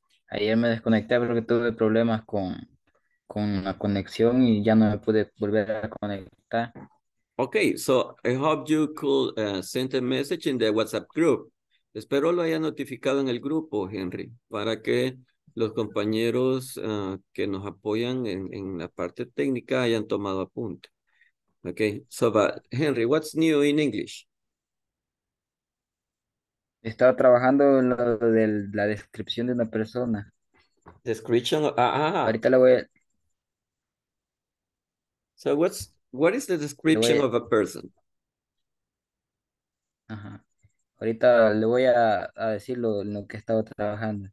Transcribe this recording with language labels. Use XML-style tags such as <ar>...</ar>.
<es>Ayer me desconecté porque tuve problemas con la conexión y ya no me pude volver a conectar.</es> <en>Okay, so I hope you could send a message in the WhatsApp group.</en> <es>Espero lo haya notificado en el grupo, Henry, para que los compañeros que nos apoyan en la parte técnica hayan tomado apunte.</es> <en>Okay, so but Henry, what's new in English?</en> <es>Estaba trabajando lo de la descripción de una persona.</es> <en>Description.</en> <es>Ahorita la voy a.</es> <en>So what is the description of a person? Ajá.</en> <es>Ahorita le voy a decir lo que estaba trabajando.</es>